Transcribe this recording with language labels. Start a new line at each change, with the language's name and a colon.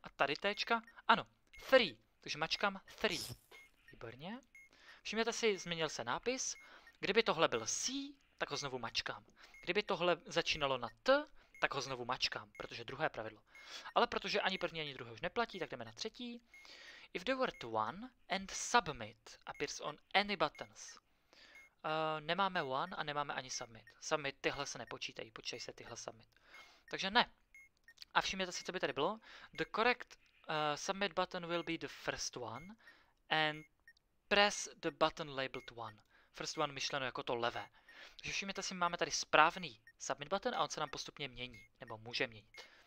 Czech: A tady Tčka? Ano, three. Takže mačkám three. Výborně. Všimněte si, změnil se nápis. Kdyby tohle byl C, tak ho znovu mačkám. Kdyby tohle začínalo na T, tak ho znovu mačkám, protože druhé pravidlo. Ale protože ani první, ani druhé už neplatí, tak jdeme na třetí.
English: If the word one and submit appears on any buttons.
Czech: Nemáme one a nemáme ani submit. Submit, tyhle se nepočítají, počítají se tyhle submit. Takže ne. A všimněte si, co by tady bylo.
English: The correct submit button will be the first one and press the button labeled one. First one
Czech: myšleno jako to levé. Takže všimněte si, máme tady správný submit button a on se nám postupně mění, nebo může měnit.